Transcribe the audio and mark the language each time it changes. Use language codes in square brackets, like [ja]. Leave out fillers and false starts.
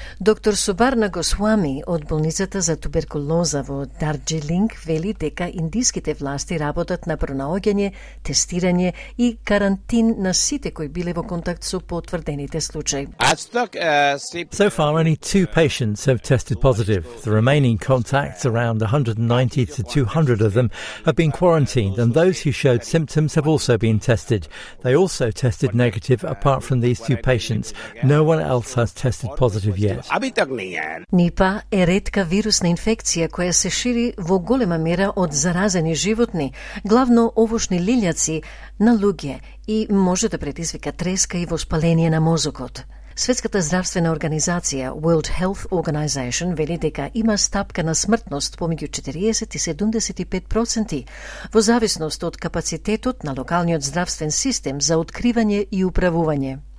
[mk] Доктор Субарна Госвами од болницата за туберкулоза во Дарджилинг вели дека индиските власти работат на пронаоѓање, тестирање и карантин на сите кои биле во контакт со потврдените случаи. [en] So far only two patients have tested positive. The remaining contact around 190 to 200 of them have been quarantined, and those who showed symptoms have also been tested. They also tested negative apart from these two patients. No one else has tested positive yet. [mk] НИПА е ретка вирусна инфекција која се шири во голема мера од заразени животни, главно овошни лилјаци, на луѓе и може да предизвика треска и воспаление на мозокот. Светската здравствена организација World Health Organization вели дека има стапка на смртност помеѓу 40 и 75% во зависност од капацитетот на локалниот здравствен систем за откривање и управување.